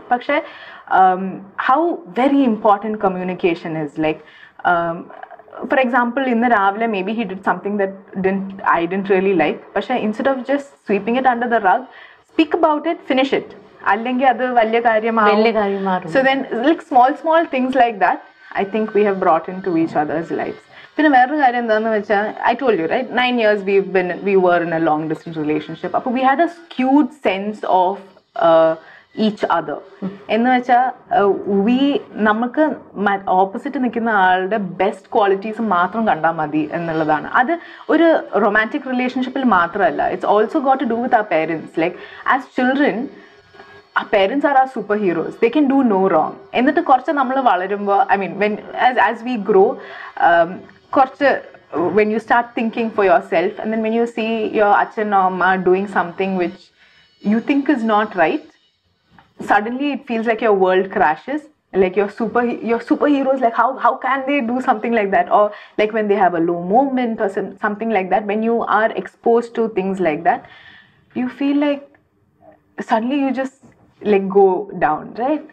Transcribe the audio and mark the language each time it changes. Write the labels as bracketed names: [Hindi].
[English] Pakshe how very important communication is, like for example in the ravle maybe he did something that I didn't really like, pakshe instead of just sweeping it under the rug, speak about it, finish it, [Malayalam] allengi adu valiya karyam aavum, valiya karyam aavum. [English] So then like small things like that I think we have brought into each other's lives. [Malayalam] പിന്നെ വേറൊരു കാര്യം എന്താണെന്ന് വെച്ചാൽ, [English] I told you right, 9 years we were in a long distance relationship. [Malayalam] അപ്പോൾ [English] we had a skewed sense of each other [Malayalam] എന്ന് വെച്ചാൽ V നമുക്ക് opposite നിൽക്കുന്ന ആളുടെ ബെസ്റ്റ് ക്വാളിറ്റീസ് മാത്രം കണ്ടാൽ മതി എന്നുള്ളതാണ്. അത് ഒരു റൊമാൻറ്റിക് റിലേഷൻഷിപ്പിൽ മാത്രമല്ല, [English] It's also got to do with ആ parents. Like as children our parents are our superheroes, they can do no wrong. [Malayalam] എന്നിട്ട് കുറച്ച് നമ്മൾ വളരുമ്പോൾ, [English] I mean as we grow, കുറച്ച് when you start thinking for yourself and then when you see your acha and amma doing something which you think is not right, suddenly it feels like your world crashes, like your superheroes, like how can they do something like that, or like when they have a low moment or something like that, when you are exposed to things like that, you feel like suddenly you just like go down, right?